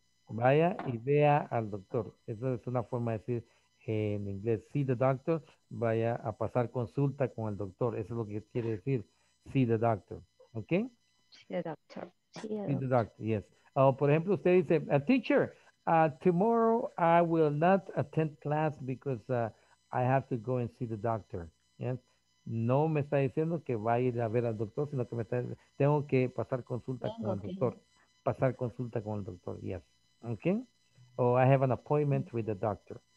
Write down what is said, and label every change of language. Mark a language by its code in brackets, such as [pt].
[es] Vaya y vea al doctor. Esa es una forma de decir en inglés, [en] see the doctor, [es] vaya a pasar consulta con el doctor. Eso es lo que quiere decir, [en] see the doctor. [es] ¿Ok? [en] See the doctor. Yes. [es] Por ejemplo, usted dice, [en] a teacher, tomorrow I will not attend class because I have to go and see the doctor. Yes. [es] No me está diciendo que vaya a ir a ver al doctor, sino que me está diciendo, tengo que pasar consulta con el doctor. Pasar consulta con el doctor, yes. [en] Okay, oh, I have an appointment with the doctor.